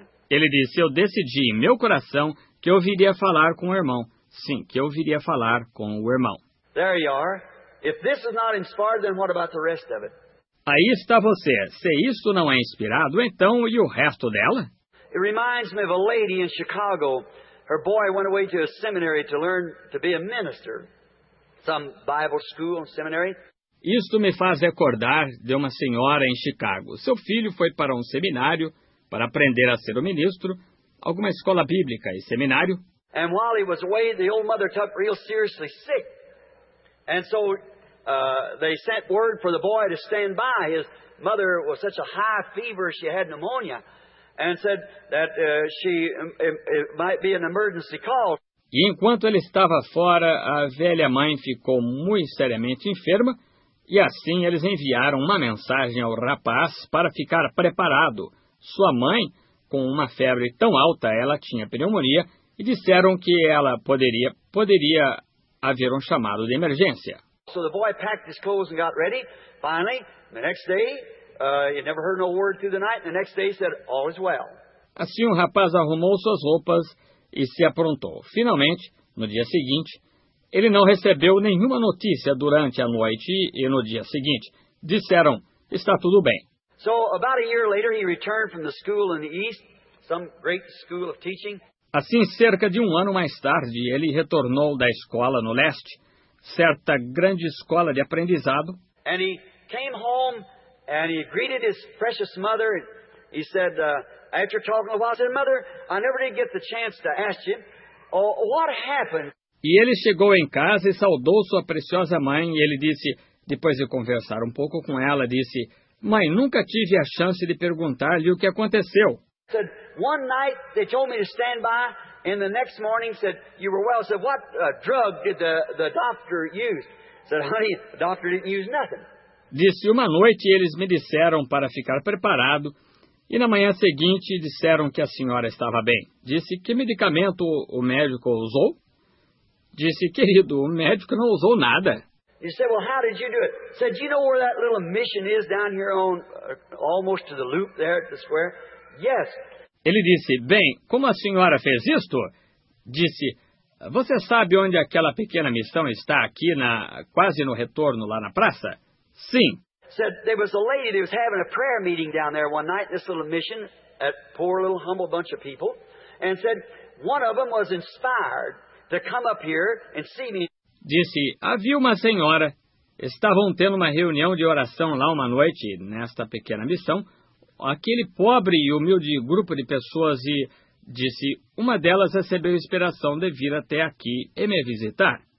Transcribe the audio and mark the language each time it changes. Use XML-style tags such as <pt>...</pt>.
<pt>Ele disse, eu decidi em meu coração que eu viria falar com o irmão. Sim, que eu viria falar com o irmão.</pt> <en>There you are. If this is not inspired, then what about the rest of it?</en> <pt>Aí está você. Se isso não é inspirado, então e o resto dela?</pt> <en>It reminds me of a lady in Chicago. Her boy went away to a seminary to learn to be a minister. Some Bible school and seminary.</en> <pt>Isto me faz recordar de uma senhora em Chicago. Seu filho foi para um seminário para aprender a ser um ministro, alguma escola bíblica e seminário.</pt> <en>And while he was away, the old mother took real seriously sick. And so they sent word for the boy to stand by. His mother was such a high fever, she had pneumonia. And said that it might be an emergency call.</en> <pt>E enquanto ele estava fora, a velha mãe ficou muito seriamente enferma, e assim eles enviaram uma mensagem ao rapaz para ficar preparado. Sua mãe, com uma febre tão alta, ela tinha pneumonia, e disseram que ela poderia haver um chamado de emergência.</pt> <en>So the boy packed his clothes and got ready. Finally, the next day, he never heard no word through the night, and the next day he said, all is well.</en> <pt>Assim, um rapaz arrumou suas roupas e se aprontou. Finalmente, no dia seguinte, ele não recebeu nenhuma notícia durante a noite e no dia seguinte. Disseram, está tudo bem.</pt> <en>So, about a year later, he returned from the school in the east, some great school of teaching.</en> <pt>Assim, cerca de um ano mais tarde, ele retornou da escola no leste, certa grande escola de aprendizado.</pt> <en>And he came home. And he greeted his precious mother. He said, after talking a while, I said, Mother, I never did get the chance to ask you, what happened?</en> <pt>E ele chegou em casa e saudou sua preciosa mãe. E ele disse, depois de conversar um pouco com ela, disse, Mãe, nunca tive a chance de perguntar-lhe o que aconteceu.</pt> <en>He said, one night they told me to stand by, and the next morning said, you were well. I said, what drug did the doctor use? He said, honey, the doctor didn't use nothing.</en> <pt>Disse, uma noite eles me disseram para ficar preparado, e na manhã seguinte disseram que a senhora estava bem. Disse, que medicamento o médico usou? Disse, querido, o médico não usou nada.</pt> <en>He said, well, how did you do it? He said, do you know where that little mission is down here on, almost to the loop there at the square? Yes.</en> <pt>Ele disse, bem, como a senhora fez isto? Disse, você sabe onde aquela pequena missão está aqui, quase no retorno lá na praça? Sim.</pt> <en>Said there was a lady that was having a prayer meeting down there one night, this little mission, at poor little humble bunch of people, and said one of them was inspired to come up here and see me.</en> <pt>Disse, havia uma senhora, estavam tendo uma reunião de oração lá uma noite, nesta pequena missão, aquele pobre e humilde grupo de pessoas, e disse, uma delas recebeu inspiração de vir até aqui e me visitar.</pt>